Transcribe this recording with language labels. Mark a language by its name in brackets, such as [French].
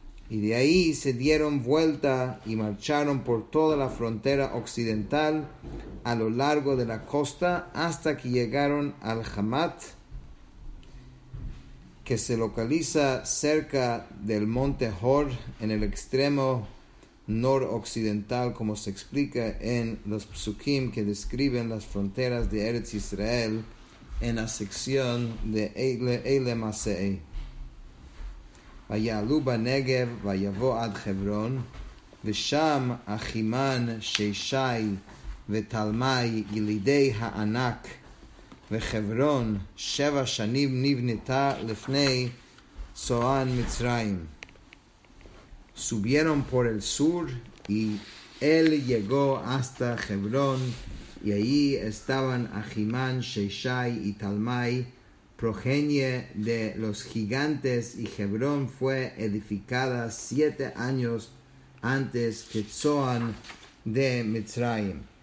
[Spanish] Y de ahí se dieron vuelta y marcharon por toda la frontera occidental a lo largo de la costa hasta que llegaron al Hamat, que se localiza cerca del monte Hor en el extremo noroccidental, como se explica en los psukim que describen las fronteras de Eretz Israel en la sección de Eile Masei. [Hebrew] Vayalu Negev, vayavo ad Hebron, visham Achiman Sheishai ותלמי ילידי הענק וחברון שבע שנים נבנתה לפני צוען מצרים. [Spanish] Subieron por el sur y él llegó hasta Hebron y allí estaban Achiman, Sheishai y Talmai, progenie de los gigantes, y Hebron fue edificada 7 años antes que Tzoan de Mitzrayim.